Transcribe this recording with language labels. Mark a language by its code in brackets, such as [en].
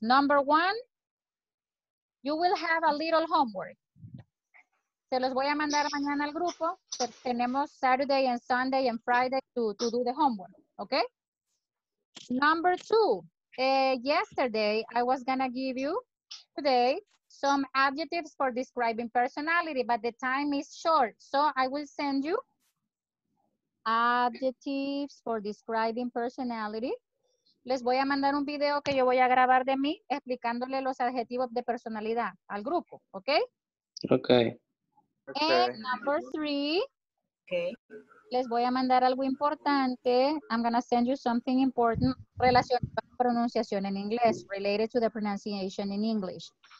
[en] Number one, you will have a little homework. [es] Se los voy a mandar mañana al grupo. Tenemos [en] Saturday and Sunday and Friday to do the homework, okay? Number two, yesterday I was gonna give you today some adjectives for describing personality, but the time is short. So I will send you adjectives for describing personality. [es] Les voy a mandar un video que yo voy a grabar de mí explicándole los adjetivos de personalidad al grupo, ¿okay? Okay. [en] And number three. Okay. [es] Les voy a mandar algo importante. [en] I'm gonna send you something important [es] relacionado a la pronunciación en inglés, [en] related to the pronunciation in English.